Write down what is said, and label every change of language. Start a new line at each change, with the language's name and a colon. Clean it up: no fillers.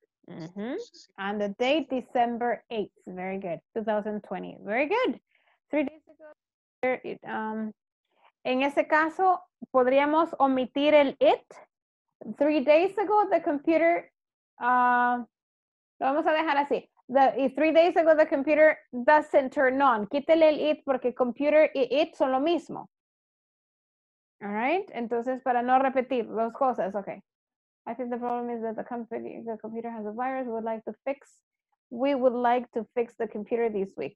English: Mm-hmm. And the date, December 8th. Very good. 2020. Very good. 3 days ago.
Spanish: En ese caso, podríamos omitir el it.
English: 3 days ago, the computer.
Spanish: Lo vamos a dejar así.
English: Three days ago, the computer doesn't turn on.
Spanish: Quítele el it porque computer y it son lo mismo.
English: All right.
Spanish: Entonces, para no repetir dos cosas, okay.
English: I think the problem is that the computer has a virus. We would like to fix the computer this week.